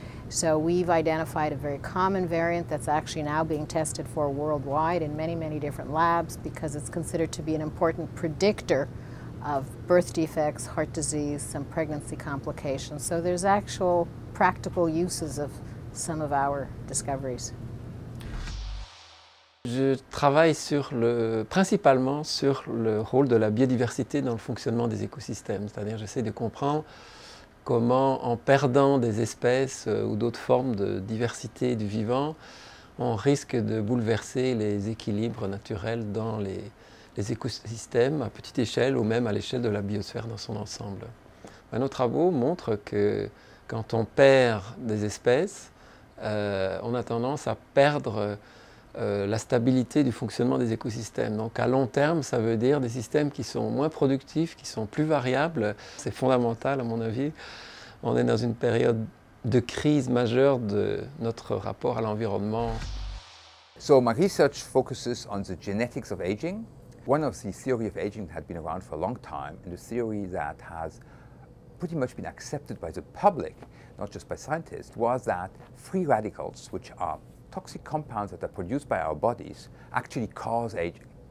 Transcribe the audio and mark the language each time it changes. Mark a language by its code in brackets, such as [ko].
[en] So we've identified a very common variant that's actually now being tested for worldwide in many, many different labs because it's considered to be an important predictor of birth defects, heart disease, some pregnancy complications. So there's actual practical uses of some of our discoveries. [fr] Je travaille principalement sur le rôle de la biodiversité dans le fonctionnement des écosystèmes. C'est-à-dire, j'essaie de comprendre comment, en perdant des espèces ou d'autres formes de diversité du vivant, on risque de bouleverser les équilibres naturels dans les écosystèmes à petite échelle ou même à l'échelle de la biosphère dans son ensemble. Nos travaux montrent que quand on perd des espèces, on a tendance à perdre la stabilité du fonctionnement des écosystèmes. Donc à long terme, ça veut dire des systèmes qui sont moins productifs, qui sont plus variables. C'est fondamental à mon avis. On est dans une période de crise majeure de notre rapport à l'environnement. [en] So my research focuses on the genetics of aging. One of the theory of aging that had been around for a long time, and the theory that has pretty much been accepted by the public, not just by scientists, was that free radicals, which are toxic compounds that are produced by our bodies, actually cause aging.